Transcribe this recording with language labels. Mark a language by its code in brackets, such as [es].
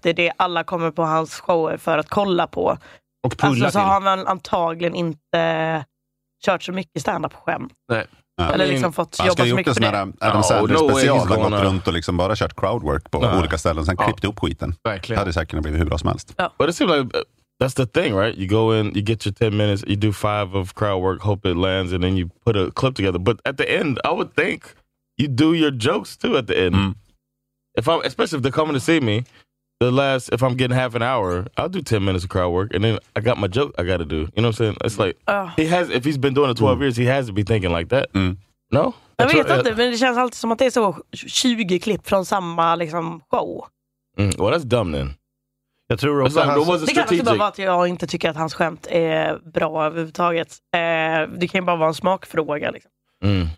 [sv] Det är det alla kommer på hans shower för att kolla på. Och pulla alltså, till. Så har man antagligen inte kört så mycket stand-up skämt. Nej. Ja, eller liksom fått jobba så mycket för det. Han ska gjort en sån här Adam Sandler special, gått runt och liksom bara kört crowdwork på olika ställen. Sen klippt upp skiten. Verkligen. Hade säkert blivit hur bra som helst. Ja. [en] But it seems like that's the thing, right? You go in, you get your 10 minutes, you do 5 of crowdwork, hope it lands, and then you put a clip together. But at the end, I would think you do your jokes too at the end. Mm. If I'm, especially if they're coming to see me, the last, if I'm getting half an hour, I'll do 10 minutes of crowd work, and then I got my joke I got to do. You know what I'm saying? It's like, he has, if he's been doing it 12 years, he has to be thinking like that. Mm. No? [sv] Jag vet inte, men det känns alltid som att det är så 20 klipp från samma liksom show. [en] Mm. Well, that's dumb then. [sv] Jag tror också [en] like, [sv] det kan också bara vara att jag inte tycker att hans skämt är bra överhuvudtaget. Det kan ju bara vara en smakfråga liksom. Mm.